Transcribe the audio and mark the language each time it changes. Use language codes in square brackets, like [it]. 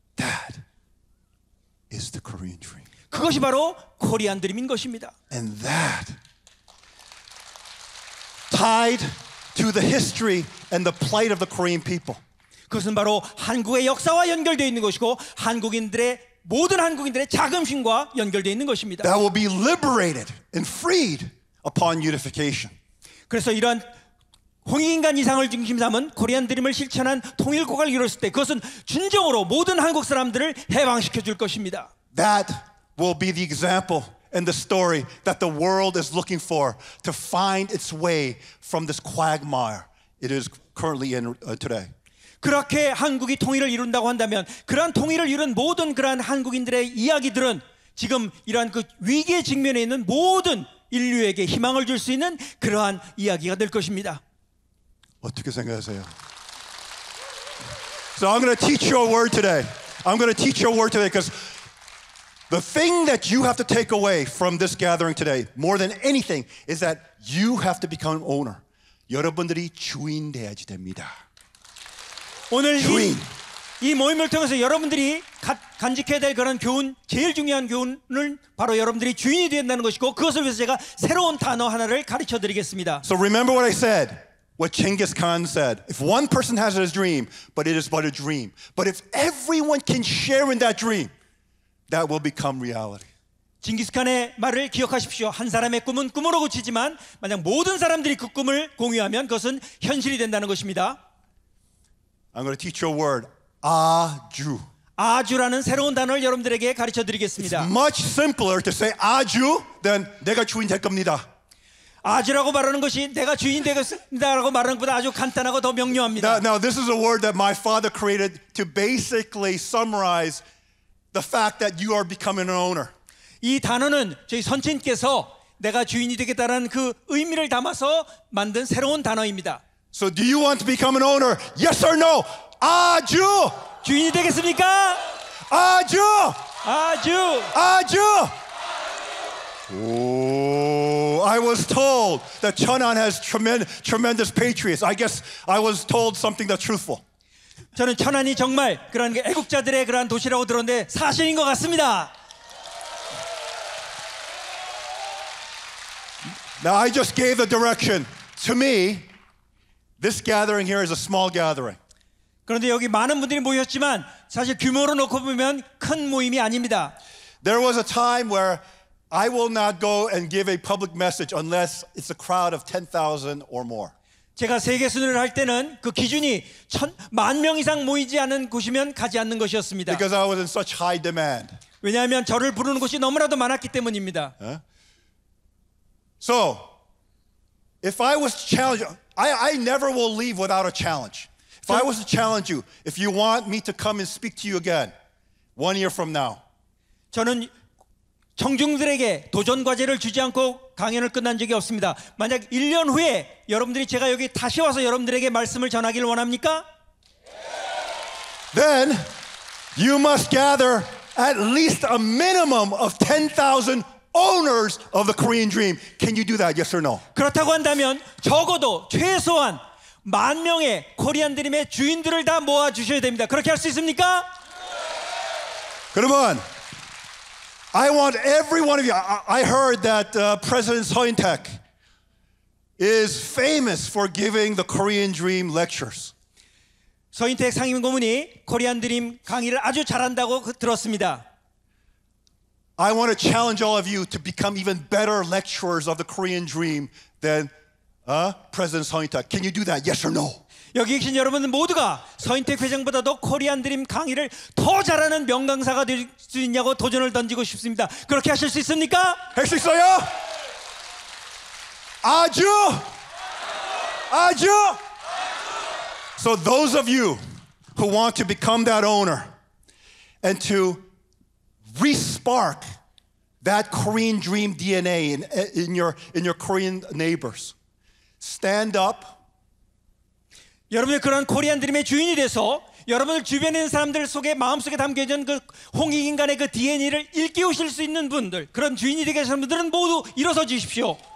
[en] That is the Korean dream. [ko] 그것이 바로 코리안 드림인 것입니다. [en] And that tied to the history and the plight of the Korean people. [ko] 그것은 바로 한국의 역사와 연결되어 있는 것이고 한국인들의 모든 한국인들의 자긍심과 연결되어 있는 것입니다. [en] That will be liberated and freed upon unification. [ko] 그래서 이런 홍익인간 이상을 중심 삼은 코리안 드림을 실천한 통일 국가를 이뤘을 때 그것은 진정으로 모든 한국 사람들을 해방시켜 줄 것입니다. [en] That will be the example and the story that the world is looking for to find its way from this quagmire it is currently in today. [ko] 그렇게 한국이 통일을 이룬다고 한다면 그러한 통일을 이룬 모든 그러한 한국인들의 이야기들은 지금 이러한 그 위기의 직면에 있는 모든 인류에게 희망을 줄 수 있는 그러한 이야기가 될 것입니다. 어떻게 생각하세요? [en] So I'm going to teach you a word today. I'm going to teach you a word today because the thing that you have to take away from this gathering today more than anything is that you have to become owner. [ko] 여러분들이 주인 돼야지 됩니다. 오늘 주인. 이 모임을 통해서 여러분들이 간직해야 될 그런 교훈, 제일 중요한 교훈은 바로 여러분들이 주인이 된다는 것이고 그것을 위해서 제가 새로운 단어 하나를 가르쳐 드리겠습니다. [en] So remember what I said, what Genghis Khan said. If one person has a dream, but it is but a dream. But if everyone can share in that dream, that will become reality. [ko] 징기스칸의 말을 기억하십시오. 한 사람의 꿈은 꿈으로 그치지만 만약 모든 사람들이 그 꿈을 공유하면 그것은 현실이 된다는 것입니다. [en] I'm going to teach you a word. [ko] 아주. 아주라는 새로운 단어를 여러분들에게 가르쳐 드리겠습니다. [en] It's much simpler to say 아주 than [ko] 내가 주인 될 겁니다. 아주라고 말하는 것이 내가 주인 되겠습니다라고 말하는 것보다 아주 간단하고 더 명료합니다. [en] Now this is a word that my father created to basically summarize the fact that you are becoming an owner. [ko] 이 단어는 저희 선친께서 내가 주인이 되겠다는 그 의미를 담아서 만든 새로운 단어입니다. [en] So do you want to become an owner? Yes or no? 아주 [ko] 주인이 되겠습니까? 아주 아주 [en] 아주 Oh, I was told that Cheonan has tremendous patriots. I guess I was told something that's truthful. [ko] 저는 천안이 정말 그런 애국자들의 그런 도시라고 들었는데 사실인 것 같습니다. [en] Now I just gave the direction. To me, this gathering here is a small gathering. [ko] 그런데 여기 많은 분들이 모였지만 사실 규모로 놓고 보면 큰 모임이 아닙니다. [en] There was a time where I will not go and give a public message unless it's a crowd of 10,000 or more. [ko] 제가 세계 순회를 할 때는 그 기준이 천만 명 이상 모이지 않은 곳이면 가지 않는 것이었습니다. [en] Because I was in such high demand. [ko] 왜냐하면 저를 부르는 곳이 너무나도 많았기 때문입니다. [en] So, if I was to challenge, I never will leave without a challenge. If I was to challenge you, if you want me to come and speak to you again, one year from now. [ko] 저는 청중들에게 도전 과제를 주지 않고 강연을 끝난 적이 없습니다. 만약 1년 후에 여러분들이 제가 여기 다시 와서 여러분들에게 말씀을 전하기를 원합니까? [en] Then you must gather at least a minimum of 10,000 owners of the Korean dream. Can you do that? Yes or no? [ko] 그렇다고 한다면 적어도 최소한 만 명의 코리안 드림의 주인들을 다 모아 주셔야 됩니다. 그렇게 할 수 있습니까? 그러면 [en] I want every one of you. I heard that President Seon-taek is famous for giving the Korean Dream lectures. [ko] 서인택 상임고문이 코리안 드림 강의를 아주 잘한다고 들었습니다. [en] I want to challenge all of you to become even better lecturers of the Korean Dream than President Seon-taek. Can you do that? Yes or no? [ko] 여기 계신 여러분 모두가 서인택 회장보다도 코리안 드림 강의를 더 잘하는 명강사가 될 수 있냐고 도전을 던지고 싶습니다. 그렇게 하실 수 있습니까? 할 수 있어요. 아주 아주. [en] So those of you who want to become that owner and to re-spark that Korean dream DNA in your Korean neighbors, stand up. [ko] 여러분의 그런 코리안 드림의 주인이 돼서 여러분을 주변에 있는 사람들 속에 마음속에 담겨 있는 그 홍익 인간의 그 DNA를 일깨우실 수 있는 분들, 그런 주인이 되시는 분들은 모두 일어서 주십시오.